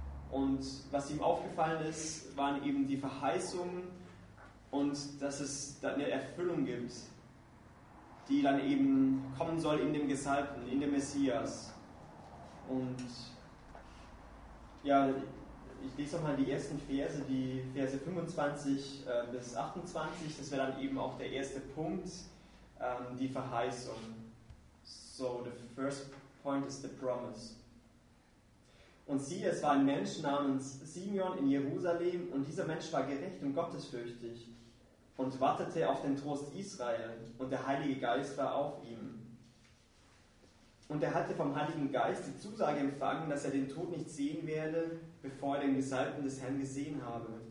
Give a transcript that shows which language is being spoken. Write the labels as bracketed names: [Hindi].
[German] Und was ihm aufgefallen ist, waren eben die Verheißungen und dass es dann eine Erfüllung gibt, die dann eben kommen soll in dem Gesalbten, in dem Messias. Und ja, ich lese nochmal die ersten Verse, die Verse 25 bis 28. Das wäre dann eben auch der erste Punkt, die Verheißung. [English] So, the first point is the promise. [German] Und siehe, es war ein Mensch namens Simeon in Jerusalem, und dieser Mensch war gerecht und gottesfürchtig und wartete auf den Trost Israel, und der Heilige Geist war auf ihm. Und er hatte vom Heiligen Geist die Zusage empfangen, dass er den Tod nicht sehen werde, bevor er den Gesalbten des Herrn gesehen habe.